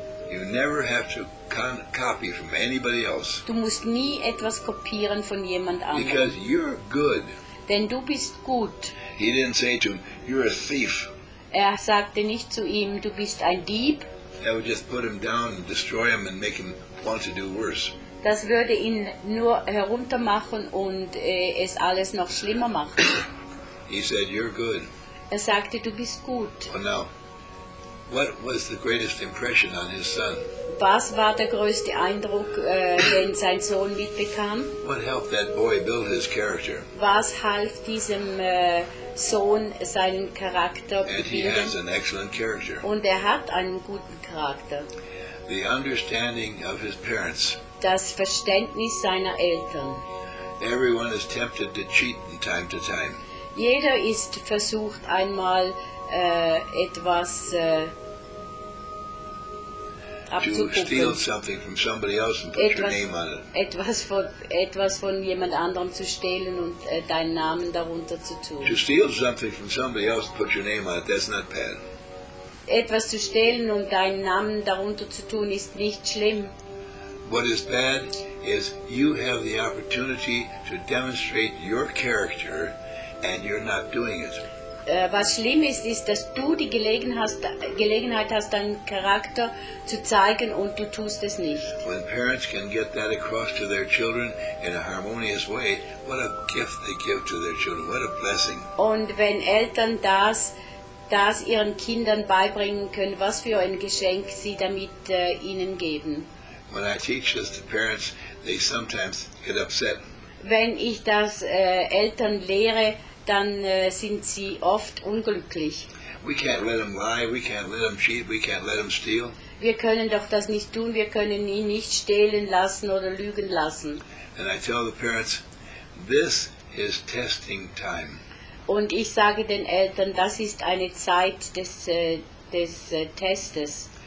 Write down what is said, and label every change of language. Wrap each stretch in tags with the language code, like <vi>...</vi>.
<en>You never have to copy from anybody else.</en> <de>Du musst nie etwas kopieren von jemand anderem.</de> <en>Because you're good.</en> <de>Denn du bist gut.</de> <en>He didn't say to him, you're a thief.</en> <de>Sagte nicht zu ihm, du bist ein Dieb.</de> <en>That would just put him down and destroy him and make him want to do worse.</en> <de>Das würde ihn nur heruntermachen und es alles noch schlimmer machen.</de> <en>He said, you're good.</en> <de>Sagte, du bist gut.</de> <en>Well, now, what was the greatest impression on his son?</en> <de>Was war der größte Eindruck, den sein Sohn mitbekam?</de> <en>What helped that boy build his character?</en> <de>Was half diesem Sohn seinen Charakter bilden?</de> <en>And he has an excellent character.</en> <de>Und hat einen guten Charakter.</de> <en>The understanding of his parents.</en> <de>Das Verständnis seiner Eltern.</de> <en>Everyone is tempted to cheat from time to time.</en> <de>Jeder ist versucht einmal etwas abzugucken.</de> <en>To steal something from somebody else and put your name on it.</en> <de>Etwas von jemand anderem zu stehlen und deinen Namen darunter zu tun.</de> <en>To steal something from somebody else and put your name on it, that's not bad.</en> <de>Etwas zu stehlen und deinen Namen darunter zu tun ist nicht schlimm.</de> <en>What is bad is you have the opportunity to demonstrate your character and you're not doing it.</en> <de>Was schlimm ist, dass du die Gelegenheit hast, deinen Charakter zu zeigen und du tust es nicht.</de> <en>When parents can get that across to their children in a harmonious way, what a gift they give to their children, what a blessing.</en> <de>Und wenn Eltern das ihren Kindern beibringen können, was für ein Geschenk sie damit ihnen geben.</de> <en>When I teach this to parents, they sometimes get upset.</en> <de>Wenn ich das Eltern lehre, dann sind sie oft unglücklich.</de> <en>We can't let them lie, we can't let them cheat, we can't let them steal.</en> <de>Wir können doch das nicht tun, wir können ihn nicht stehlen lassen oder lügen lassen.</de> <en>And I tell the parents, this is testing time.</en> <de>Und ich sage den Eltern, das ist eine Zeit des Testes.</de>